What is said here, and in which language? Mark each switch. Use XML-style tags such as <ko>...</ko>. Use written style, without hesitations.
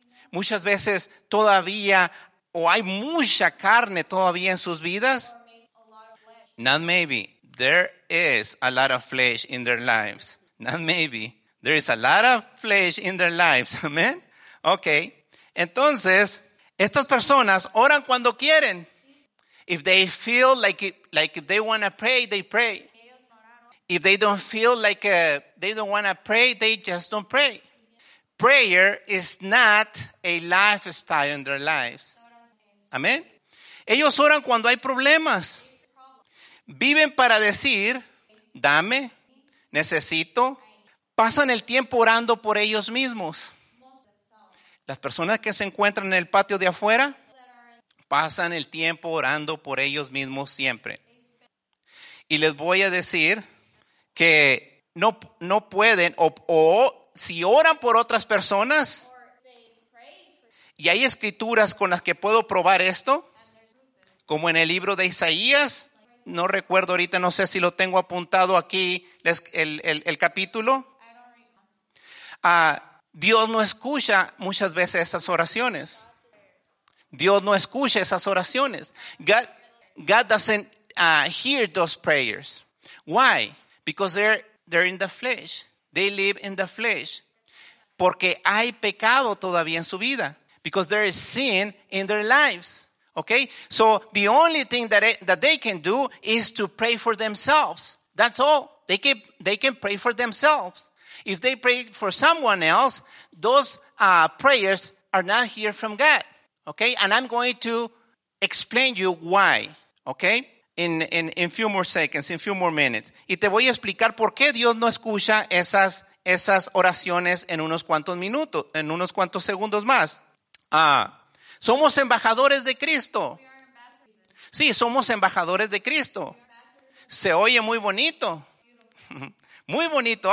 <es>Muchas veces todavía, o hay mucha carne todavía en sus vidas.</es> <en>Not maybe. There is a lot of flesh in their lives. Not maybe. There is a lot of flesh in their lives. Amen. Okay.</en> <es>Entonces, estas personas oran cuando quieren.</es> <en>If they feel like if they want to pray, they pray. If they don't feel like they don't want to pray, they just don't pray. Prayer is not a lifestyle in their lives. Amen.</en> <es>Ellos oran cuando hay problemas. Viven para decir, dame, necesito. Pasan el tiempo orando por ellos mismos. Las personas que se encuentran en el patio de afuera, pasan el tiempo orando por ellos mismos siempre. Y les voy a decir que no pueden, o si oran por otras personas, y hay escrituras con las que puedo probar esto, como en el libro de Isaías. No recuerdo ahorita, no sé si lo tengo apuntado aquí, el capítulo. Dios no escucha muchas veces esas oraciones. Dios no escucha esas oraciones.</es> <en>God doesn't hear those prayers. Why? Because they're in the flesh. They live in the flesh.</en> <es>Porque hay pecado todavía en su vida.</es> <en>Because there is sin in their lives. Okay, so the only thing that they can do is to pray for themselves. That's all. They can pray for themselves. If they pray for someone else, those prayers are not heard from God. Okay, and I'm going to explain you why. Okay, in few more seconds, in few more minutes. Y te voy a explicar por qué Dios no escucha esas oraciones en unos cuantos minutos, en unos cuantos segundos más.</en> <es>Somos embajadores de Cristo. Sí, somos embajadores de Cristo. Se oye muy bonito. Muy bonito.</es>